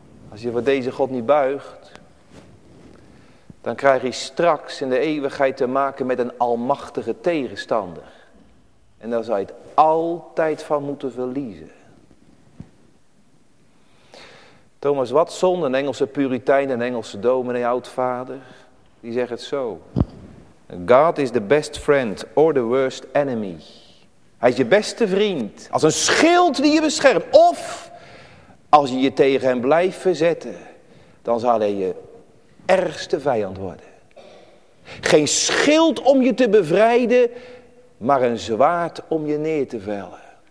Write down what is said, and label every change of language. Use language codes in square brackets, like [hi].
[nl] Als je voor deze God niet buigt, dan krijg je straks in de eeuwigheid te maken met een almachtige tegenstander. En daar zou je het altijd van moeten verliezen. Thomas Watson, een Engelse puritein, een Engelse dominee, oudvader, die zegt het zo. [en] God is the best friend or the worst enemy. [nl] Hij is je beste vriend, als een schild die je beschermt. Of als je je tegen hem blijft verzetten, dan zal hij je ergste vijand worden. Geen schild om je te bevrijden, maar een zwaard om je neer te vellen.